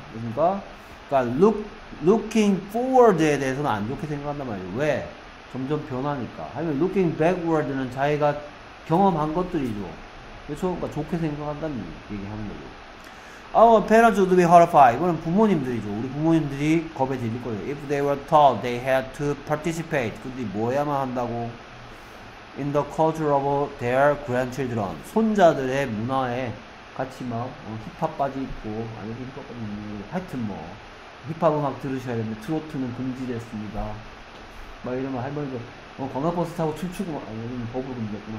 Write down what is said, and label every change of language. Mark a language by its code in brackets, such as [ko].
[ko] 그니까, looking forward에 대해서는 안 좋게 생각한단 말이에요. 왜? 점점 변하니까. 하면 looking backward는 자기가 경험한 것들이죠. 그래서 그러니까 좋게 생각한다는 얘기 하는 거죠. [en] Our parents would be horrified. [ko] 이거는 부모님들이죠. 우리 부모님들이 겁에 질릴 거예요. [en] If they were told they had to participate. [ko] 그들이 뭐 해야만 한다고? [en] In the culture of their grandchildren. [ko] 손자들의 문화에 같이 막 힙합 빠져 있고, 아니, 힙합 빠져 있는 거 하여튼 뭐, 힙합 음악 들으셔야 됩니다. 트로트는 금지됐습니다. 막 이러면 할머니가 관광버스 타고 춤추고 막 이러면 법을 건드렸구나.